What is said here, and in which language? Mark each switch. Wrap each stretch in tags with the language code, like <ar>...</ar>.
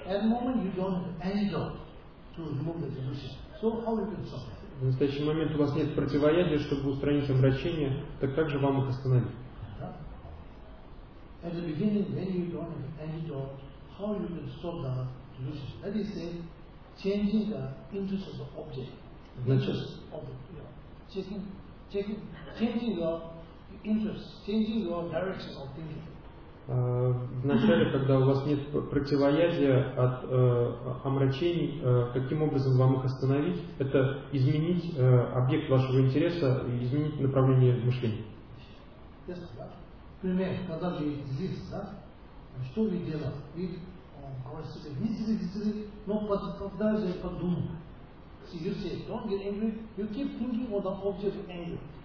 <en>At the moment you don't have any doubt to remove the delusion. So how we can stop?</en> <ru>В настоящий момент у вас нет противоядия, чтобы устранить омрачение, так как же вам их остановить?</ru> <en>At the beginning, when you don't have any doubt, how you can stop the delusion? That is say, changing the interest of the object. Interest of the, you know, changing your interest, changing your direction of thinking.</en> <ru>Вначале, когда у вас нет противоядия от омрачений, каким образом вам их остановить, это изменить объект вашего интереса и изменить направление мышления.</ru> <en>Yes, right.</en> <ru>Пример, когда вы здесь, да? Что вы делаете? Вы говорите, но когда же подумаете?</ru> <en>See, you say, don't get angry, you keep thinking of the object of anger.</en>